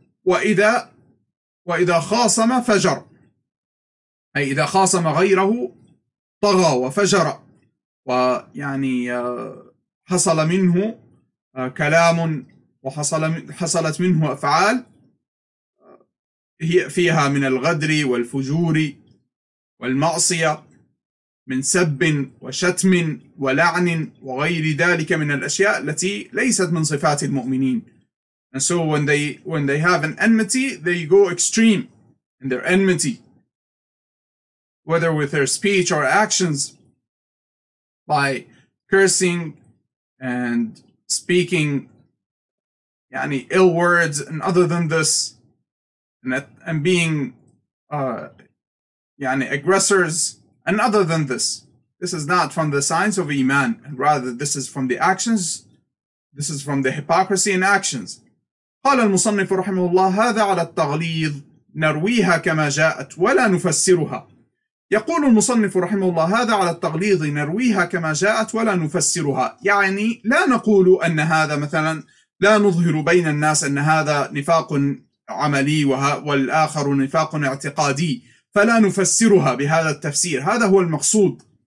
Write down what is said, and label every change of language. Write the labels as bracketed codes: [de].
[ar] Wa idha khasama fajar, ay idha khasama ghayrahu, طغى وفجر ويعني حصل منه كلام وحصلت منه أفعال هي فيها من الغدر والفجور والمعصية من سب وشتم ولعن وغير ذلك من الأشياء التي ليست من صفات المؤمنين. [en] And so when they have an enmity, they go extreme in their enmity, whether with their speech or actions, by cursing and speaking يعني ill words and other than this, and being يعني aggressors and other than this. This is not from the signs of Iman, and rather this is from the actions. This is from the hypocrisy in actions. [ar] قال المصنف رحمه الله هذا على التغليظ نرويها كما جاءت ولا نفسرها. يقول المصنف رحمه الله هذا على التغليظ نرويها كما جاءت ولا نفسرها, يعني لا نقول أن هذا مثلا, لا نظهر بين الناس أن هذا نفاق عملي والآخر نفاق اعتقادي فلا نفسرها بهذا التفسير. هذا هو المقصود.